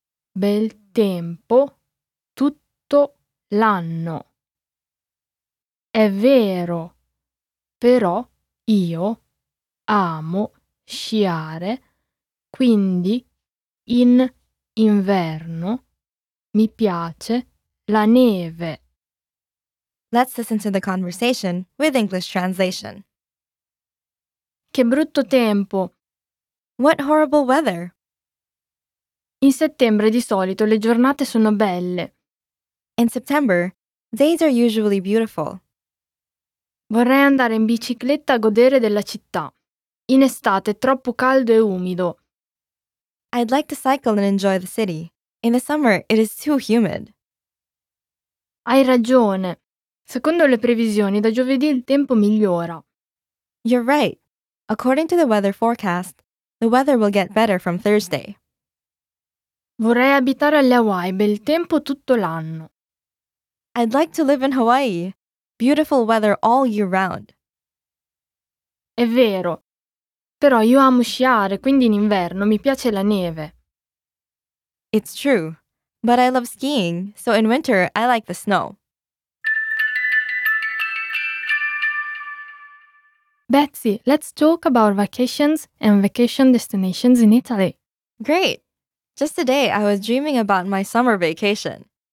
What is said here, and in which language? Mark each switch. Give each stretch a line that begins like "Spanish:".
Italian: Bel tempo tutto l'anno. È vero, però io amo sciare, quindi in inverno mi piace la neve.
English: Let's listen to the conversation with English translation.
Italian: Che brutto tempo!
English: What horrible weather!
Italian: In settembre di solito le giornate sono belle.
English: In September, days are usually beautiful.
Italian: Vorrei andare in bicicletta a godere della città. In estate è troppo caldo e umido.
English: I'd like to cycle and enjoy the city. In the summer, it is too humid.
Italian: Hai ragione. Secondo le previsioni, da giovedì il tempo migliora.
English: You're right. According to the weather forecast, the weather will get better from Thursday.
Italian: Vorrei abitare alle Hawaii, bel tempo tutto l'anno.
English: I'd like to live in Hawaii. Beautiful weather all year round.
Italian: È vero. Però io amo sciare, quindi in inverno mi piace la neve.
English: It's true. But I love skiing, so in winter I like the snow. Betsy, let's talk about vacations and vacation destinations in Italy. Great! Just today, I was dreaming about my summer vacation.